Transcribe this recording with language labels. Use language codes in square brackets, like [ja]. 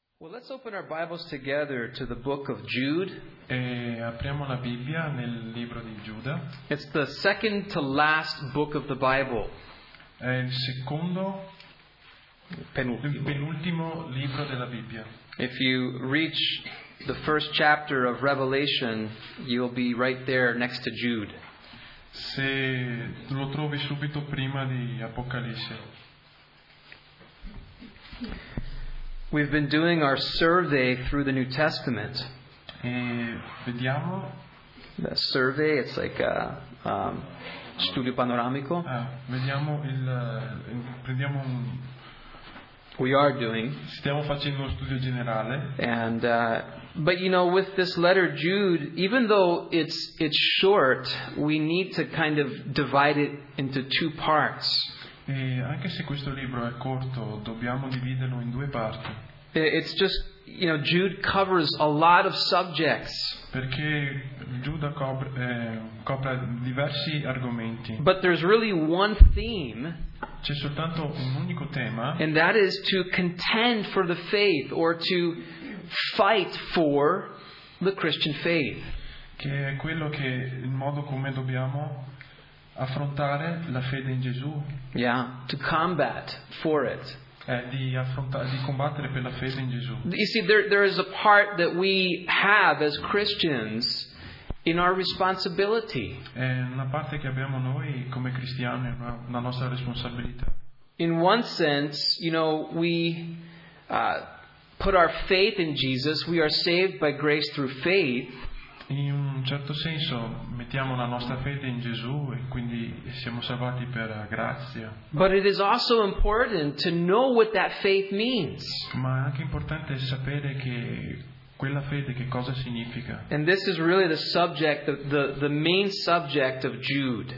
[en] Well, let's open our Bibles together to the book of Jude. [it] E apriamo la Bibbia nel libro di Giuda. [en] It's the second to last book of the Bible. [it] È il secondo penultimo libro della Bibbia. [en] If you reach the first chapter of Revelation, you'll be right there next to Jude. [it] Se lo trovi subito prima di Apocalisse. [en] We've been doing our survey through the New Testament. [it] E vediamo. [en] The survey, it's like a [it] studio panoramico. Vediamo il prendiamo un. [en] We are doing. [it] Stiamo facendo uno studio generale. [en] And but you know, with this letter Jude, even though it's short, we need to kind of divide it into two parts. [it] E anche se questo libro è corto, dobbiamo dividerlo in due parti. [en] It's just, you know, Jude covers a lot of subjects. [it] Perché Giuda copre diversi argomenti. [en] But there's really one theme. [it] C'è soltanto un unico tema. [en] And that is to contend for the faith or to fight for the Christian faith. [it] Che è quello che il modo come dobbiamo affrontare la fede in Gesù. [en] Yeah, to combat for it. [it] Di combattere per la fede in Gesù. [en] You see, there is a part that we have as Christians in our responsibility. [it] È una parte che abbiamo noi come cristiani, una nostra responsabilità. [en] In one sense, you know, we put our faith in Jesus. We are saved by grace through faith. [it] In un certo senso mettiamo la nostra fede in Gesù e quindi siamo salvati per grazia. [en] But it is also important to know what that faith means. [it] Ma è anche importante sapere che quella fede che cosa significa. [en] And this is really the subject, the main subject of Jude.